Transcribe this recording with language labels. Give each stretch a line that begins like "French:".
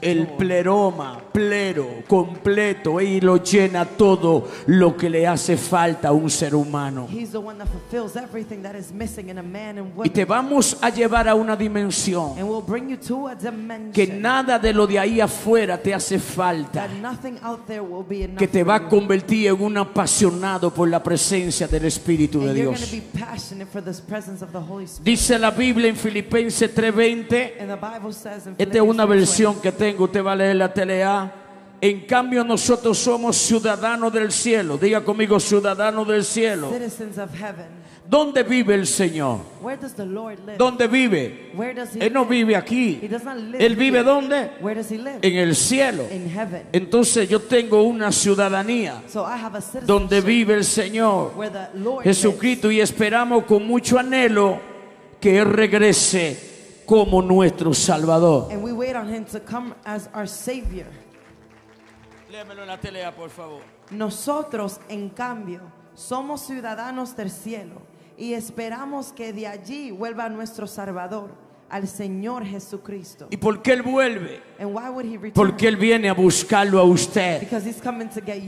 Spanish: El pleroma, plero, completo, y lo llena todo lo que le hace falta a un ser humano.
English: He's the one that fulfills everything that is missing in a man and woman.
Spanish: Y te vamos a llevar a una dimensión.
English: And we'll bring you to a dimension.
Spanish: Que nada de lo de ahí afuera te hace falta.
English: That nothing out there will be enough.
Spanish: Que te va a convertir en un apasionado por la presencia del Espíritu de Dios.
English: And you're going to be passionate for this presence of the Holy Spirit.
Spanish: Dice la Biblia en Filipenses 3:20.
English: And the Bible says in Philippians.
Spanish: Esta es una versión que tengo, usted va a leer la TLA. En cambio nosotros somos ciudadanos del cielo. Diga conmigo, ciudadanos del cielo.
English: Citizens of heaven.
Spanish: ¿Dónde vive el Señor?
English: Where does the Lord live?
Spanish: ¿Dónde vive?
English: Where does he
Spanish: Él no vive aquí.
English: He does not live
Spanish: Él vive
English: here.
Spanish: ¿Dónde?
English: Where does he live?
Spanish: En el cielo.
English: In heaven.
Spanish: Entonces yo tengo una ciudadanía.
English: So I have a citizenship.
Spanish: ¿Dónde vive el Señor?
English: Where the Lord
Spanish: Jesucristo
English: lives.
Spanish: Y esperamos con mucho anhelo que Él regrese como nuestro Salvador.
English: And we wait on him to come as our Savior.
Spanish: Léemelo en la tele, por favor. Nosotros, en cambio, somos ciudadanos del cielo y esperamos que de allí vuelva nuestro Salvador, al Señor Jesucristo. ¿Y por qué Él vuelve?
English: And why would he return?
Spanish: Porque él viene a buscarlo a usted.
English: Because he's coming to get you.